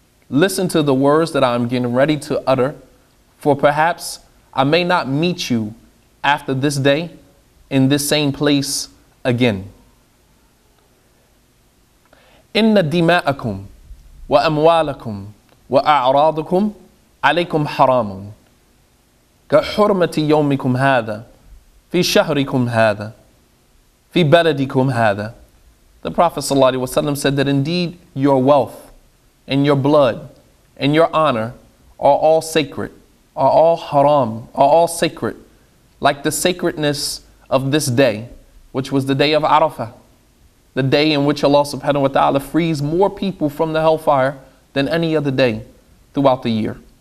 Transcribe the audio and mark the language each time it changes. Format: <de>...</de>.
<en>Listen to the words that I'm getting ready to utter, for perhaps I may not meet you after this day in this same place again."</en> <ar>إن دماءكم وأموالكم وأعراضكم عليكم حرام كحرمة يومكم هذا في شهركم هذا في بلدكم هذا.</ar> <en>The Prophet صلى الله عليه وسلم said that indeed your wealth and your blood and your honor are all sacred, are all haram, are all sacred, like the sacredness of this day, which was the day of Arafah, the day in which Allah subhanahu wa ta'ala frees more people from the hellfire than any other day throughout the year.</en>